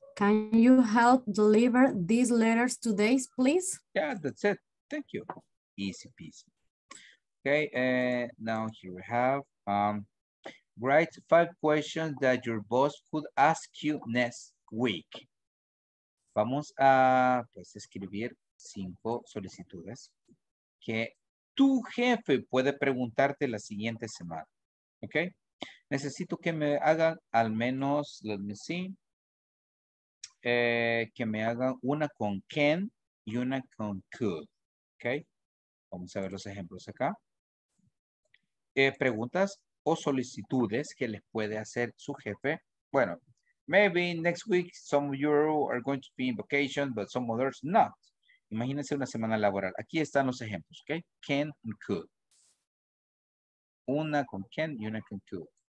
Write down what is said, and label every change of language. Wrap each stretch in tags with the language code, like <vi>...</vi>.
<en>Can you help deliver these letters today, please? Yeah, that's it. Thank you. Easy peasy. Okay, now here we have. Write five questions that your boss could ask you next week.</en> <es>Vamos a pues, escribir cinco solicitudes que tu jefe puede preguntarte la siguiente semana. Okay? Necesito que me hagan al menos,</es> <en>let me see.</en> <es>Que me hagan una con can y una con could. Ok. Vamos a ver los ejemplos acá. Preguntas o solicitudes que les puede hacer su jefe.</es> <en>Bueno, maybe next week some of you are going to be in vacation, but some others not.</en> <es>Imagínense una semana laboral. Aquí están los ejemplos. Ok. Can and could. Una con can y una con could.</es>